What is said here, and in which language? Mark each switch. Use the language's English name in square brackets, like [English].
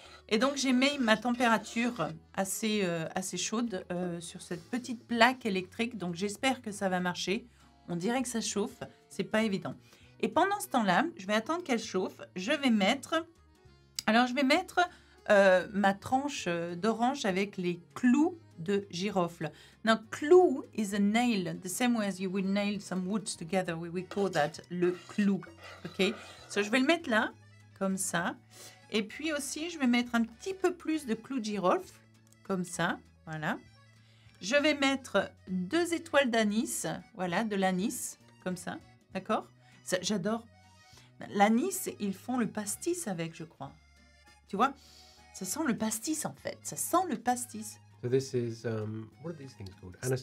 [French] Et donc, j'ai mis ma température assez chaude sur cette petite plaque électrique. Donc, j'espère que ça va marcher. On dirait que ça chauffe. C'est pas évident. Et pendant ce temps-là, je vais attendre qu'elle chauffe. Je vais mettre ma tranche d'orange avec les clous de girofle. [English] Now, clou is a nail. The same way as you would nail some wood together. We call that [French] le clou. [English] OK? So, [French] je vais le mettre là. Comme ça. Et puis aussi, je vais mettre un petit peu plus de clous de girofle. Comme ça. Voilà. Je vais mettre 2 étoiles d'anis. Voilà, de l'anis. Comme ça. D'accord ? Ça, j'adore. L'anis, ils font le pastis avec, je crois. Tu vois ? Ça sent le pastis, en fait. [English] So this is, what are these things called?